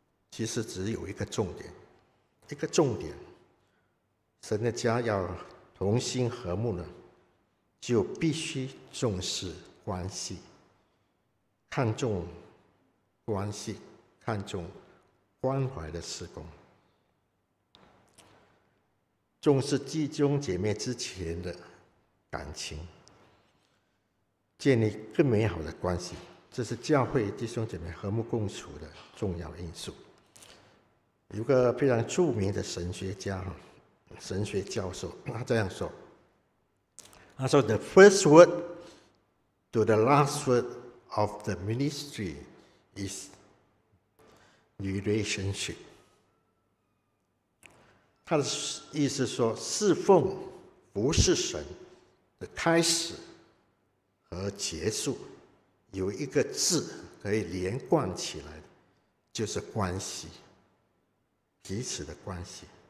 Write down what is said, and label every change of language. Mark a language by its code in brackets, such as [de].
[zh] 其实只有一个重点，一个重点，神的家要同心和睦呢，就必须重视关系，看重关系，看重关怀的事工。重视弟兄姐妹之前的感情，建立更美好的关系，这是教会弟兄姐妹和睦共处的重要因素。有个非常著名的神学家，神学教授，他这样说，他说 [en] The first word to the last word of the ministry is relationship。 [zh] 他的意思说，侍奉不是神的开始和结束，有一个字可以连贯起来，就是关系，彼此的关系。